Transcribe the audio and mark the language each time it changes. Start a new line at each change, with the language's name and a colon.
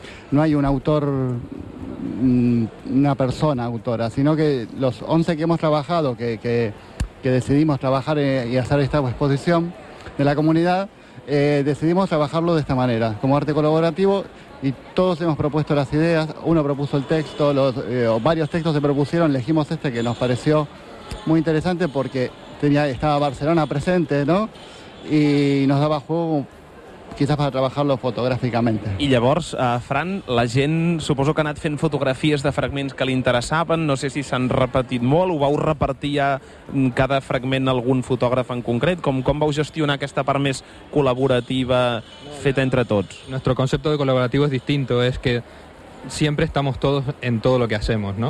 Spanish: No hay un autor, una persona autora, sino que los 11 que hemos trabajado, que decidimos trabajar y hacer esta exposición de la comunidad, decidimos trabajarlo de esta manera, como arte colaborativo, y todos hemos propuesto las ideas, uno propuso el texto, varios textos se propusieron, elegimos este que nos pareció muy interesante porque estaba Barcelona presente, ¿no? Y nos daba juego quizás para trabajarlo fotográficamente.
Catalan: I llavors, Fran, la gent suposo que ha anat fent fotografies de fragments que li interessaven, no sé si s'han repetit molt, ho vau repartir ja cada fragment algun fotògraf en concret, com vau gestionar aquesta part més col·laborativa feta entre tots?
Spanish: Nuestro concepto de colaborativo es distinto, es que siempre estamos todos en todo lo que hacemos, ¿no?